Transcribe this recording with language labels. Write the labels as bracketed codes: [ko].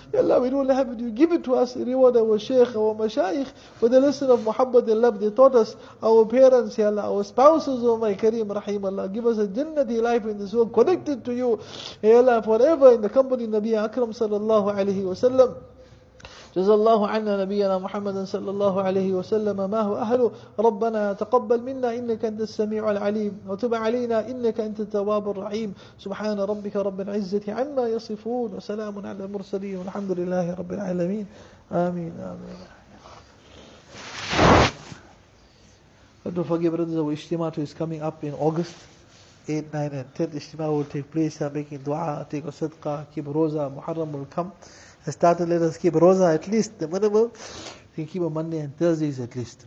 [en] Ya Allah, we don't have it. You give it to us. Reward our Shaykh, our Mashaykh, for the lesson of Muhammad and love they taught us, our parents, Ya Allah, our spouses, O my Kareem, Rahim Allah, give us a jannati life in this world, connected to you, Ya Allah, forever in the company of Nabi Akram sallallahu alayhi wa sallam. [ar] جزاللله عنا نبينا محمد صلى الله عليه وسلم ما هو أهله ربنا تقبل منا إنك أنت السميع العليم وتب علينا إنك أنت التواب الرحيم سبحان ربك رب العزة عما يصفون وسلام على المرسلين والحمد لله رب العالمين آمين آمين. [en] But don't forget, brothers, our ishtima is coming up in August 8, 9 and 10. Ishtima will take place. I'm making dua, take a sadqa, keep roza, Muharram will come. I started, let us keep Rosa at least, the minimum. You can keep a Monday and Thursdays at least.